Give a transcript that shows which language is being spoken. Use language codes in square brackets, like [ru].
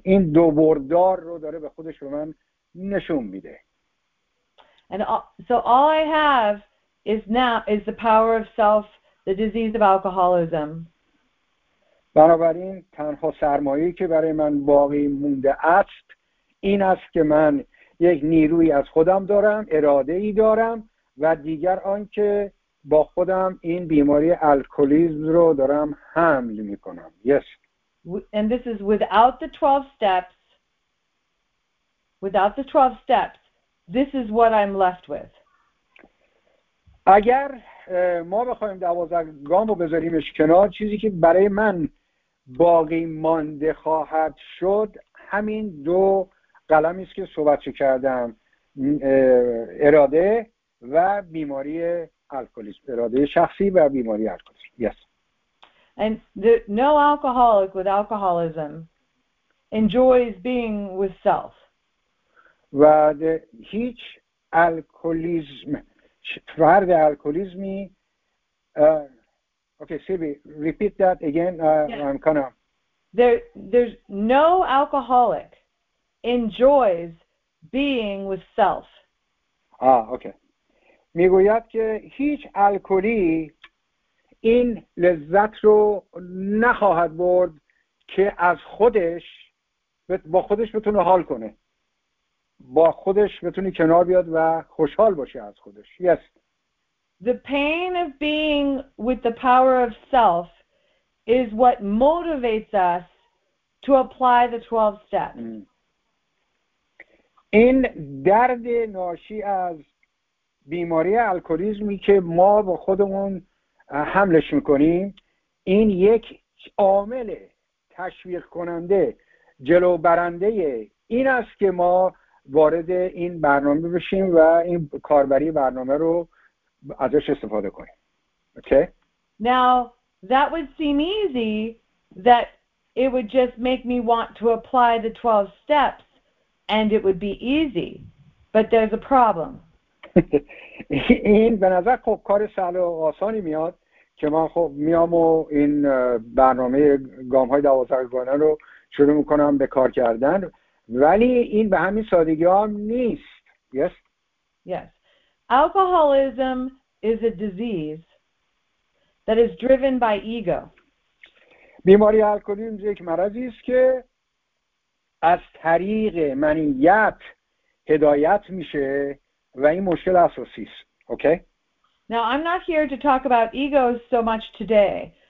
[fa] این دو بردار رو داره به خودش به من نشون میده. [en] And so all I have is now is the power of self, the disease of alcoholism. [fa] بنابراین تنها سرمایه‌ای که برای من باقی مونده است این است که من یک نیروی از خودم دارم، اراده‌ای دارم، و دیگر آن که با خودم این بیماری الکلیسم رو دارم حمل می‌کنم. [en] Yes. And this is without the 12 steps. Without the 12 steps, this is what I'm left with. [fa] اگر ما بخوایم 12 گام رو بذاریمش کنار، چیزی که برای من باقی مانده خواهد شد همین دو قلمی است که صحبت کردم، اراده و بیماری الکلیسم، اراده شخصی و بیماری الکلیسم. [en] Yes. And the no alcoholic with alcoholism enjoys being with self. [fa] و هیچ الکلیسم، فرد الکلیسمی، [en] okay, Sylvie, repeat that again. I'm kind of. There's no alcoholic enjoys being with self. Ah, okay. [fa] میگوید که هیچ الکلی این لذت رو نخواهد برد که از خودش با خودش بتونه حال کنه. با خودش بتونه کنار بیاد و خوشحال باشه از خودش. [en] Yes. The pain of being with the power of self is what motivates us to apply the 12 steps. [fa] این درد ناشی از بیماری الکلیسمی که ما با خودمون حملش میکنیم، این یک عامل تشویق کننده، جلو برنده این است که ما وارد این برنامه بشیم و این کاربری برنامه رو ازش استفاده کنیم. [en] Okay. Now that would seem easy that it would just make me want to apply the 12 steps and it would be easy. But there's a problem. [fa] این به نظر خب کار سهل و آسانی میاد که من خب میام و این برنامه گام های 12 گانه رو شروع میکنم به کار کردن، ولی این به همین سادگی ها نیست. [en] Yes. Yes. Alcoholism is a disease that is driven by ego. [fa] بیماری الکلیسم یک مرضی است که از طریق منیت هدایت میشه و این مشکل اساسی است. [en] Okay? Now I'm not here to talk about ego so much today.